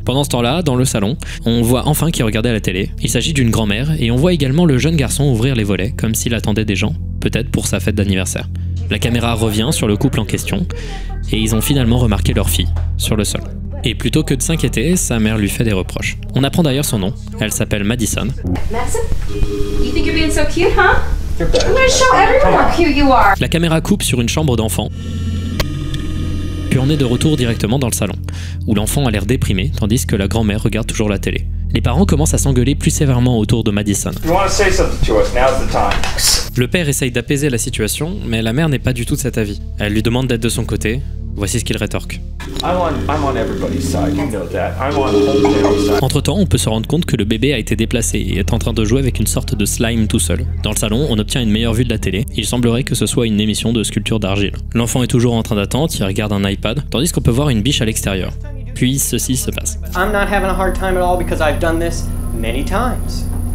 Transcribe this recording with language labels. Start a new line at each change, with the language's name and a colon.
French: Pendant ce temps-là, dans le salon, on voit enfin qu'il regardait la télé. Il s'agit d'une grand-mère, et on voit également le jeune garçon ouvrir les volets, comme s'il attendait des gens, peut-être pour sa fête d'anniversaire. La caméra revient sur le couple en question, et ils ont finalement remarqué leur fille, sur le sol. Et plutôt que de s'inquiéter, sa mère lui fait des reproches. On apprend d'ailleurs son nom, elle s'appelle Madison.
English: Madison, you think you're being so cute, huh? I'm gonna show everyone how cute you are.
French: La caméra coupe sur une chambre d'enfant, puis on est de retour directement dans le salon, où l'enfant a l'air déprimé, tandis que la grand-mère regarde toujours la télé. Les parents commencent à s'engueuler plus sévèrement autour de Madison.
English: You wanna say something to us? Now's the time.
French: Le père essaye d'apaiser la situation, mais la mère n'est pas du tout de cet avis. Elle lui demande d'être de son côté. Voici ce qu'il rétorque. Entre-temps, on peut se rendre compte que le bébé a été déplacé et est en train de jouer avec une sorte de slime tout seul. Dans le salon, on obtient une meilleure vue de la télé. Il semblerait que ce soit une émission de sculpture d'argile. L'enfant est toujours en train d'attendre, il regarde un iPad, tandis qu'on peut voir une biche à l'extérieur. puis ceci se passe.
English: I'm not having a hard time at all because I've done this many times.